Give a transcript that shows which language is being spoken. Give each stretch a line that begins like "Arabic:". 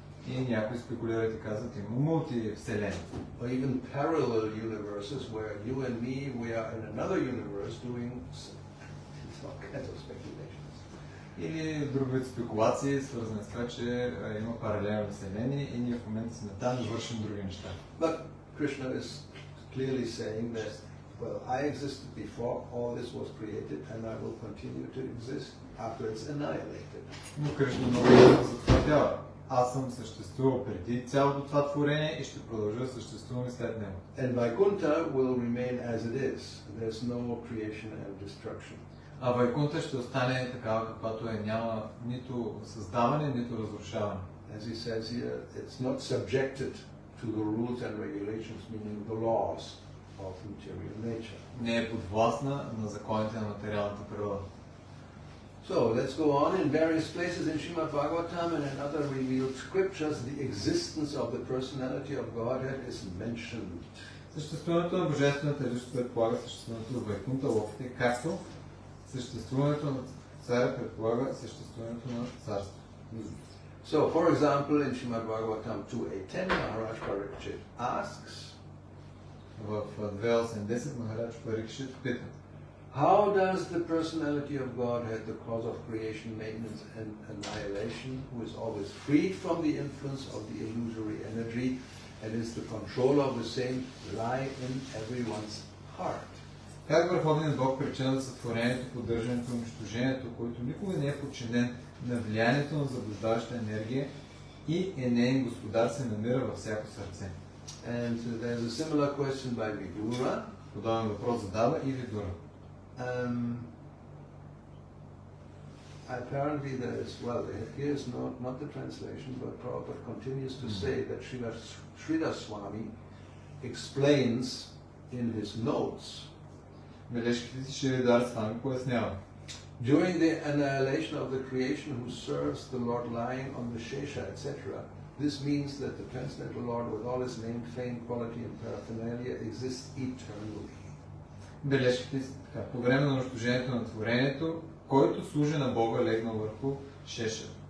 Bulgarian: И някои спекулират и казват, има мултивселени.
English: Or even parallel universes where you and me, we are in another universe doing all kinds of speculations.
Bulgarian: Или друг вид спекулации, свързани с това, че има паралелни вселени и ние в момента сме там и вършим други неща.
English: But Krishna is clearly saying that, well, I existed before all this was created and I will continue to exist after it's annihilated.
Bulgarian: Но Кришна много ясно затвърдява. Аз съм съществувал преди цялото това творение и ще продължа да съществувам и след него.
English: And Vaikuntha will remain as it is. There's no creation and destruction.
Bulgarian: А Vaikuntha ще остане такава, каквато е, няма нито създаване, нито разрушаване.
English: As he says here, it's not subjected to the rules and regulations, meaning the laws of material nature.
Bulgarian: Не е подвластна на законите на материалната природа.
English: So let's go on. In various places in Srimad Bhagavatam and in other revealed scriptures, the existence of the personality of Godhead is mentioned.
Bulgarian: Съществуването на Божествената личност предполага съществуването на Вайкунта Локите, както съществуването на царя предполага съществуването на царство.
English: So, for example, in Srimad Bhagavatam 2.8.10, Maharaj Parikshit asks,
Bulgarian: в 2.8.10, Maharaj Parikshit пита,
English: how does the personality of Godhead, the cause of creation, maintenance and annihilation, who is always free from the influence of the illusory energy and is the controller of the same, lie in everyone's heart?
Bulgarian: Как Върховният Бог, причина за сътворението, поддържането и унищожението, който никога не е подчинен на влиянието на заблуждаваща енергия и е неин господар, се намира във всяко сърце?
English: And so there's a similar question by Vidura.
Bulgarian: Подобен въпрос задава и Vidura.
English: Apparently there is, well, here is not the translation, but Prabhupada continues to say that Sridhar Swami explains in his notes. During the annihilation of the creation who serves the Lord lying on the Shesha, etc., This means that the transcendental Lord, with all his name, fame, quality and paraphernalia, exists eternally.
Bulgarian: Бележките са, по време на унищожението на творението, който служи на Бога, легнал върху Шеша.